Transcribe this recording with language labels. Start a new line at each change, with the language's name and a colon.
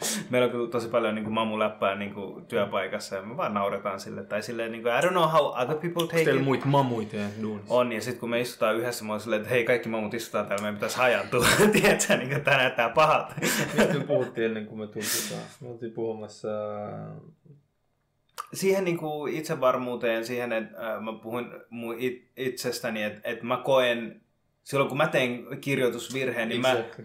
Finnish: Meillä on tosi paljon niin kuin mamu-läppää niin kuin työpaikassa ja me vaan nauretaan sille. Tai silleen, niin kuin,
English: I don't know how other people take it.
Finnish: Onko muita mamuita ja duunissa? On, ja sitten kun me istutaan yhdessä, mä oon silleen, että hei, kaikki mamut istutaan täällä, meidän pitäisi hajantua. Tiedätkö, niin kuin tämä näyttää pahalta. Mistä me puhuttiin ennen kuin me tultiin taas? Me oltiin puhumassa... Siihen niin kuin itsevarmuuteen, siihen, että mä puhun itsestäni, että mä koen, silloin kun mä teen kirjoitusvirheen, niin
English: exactly.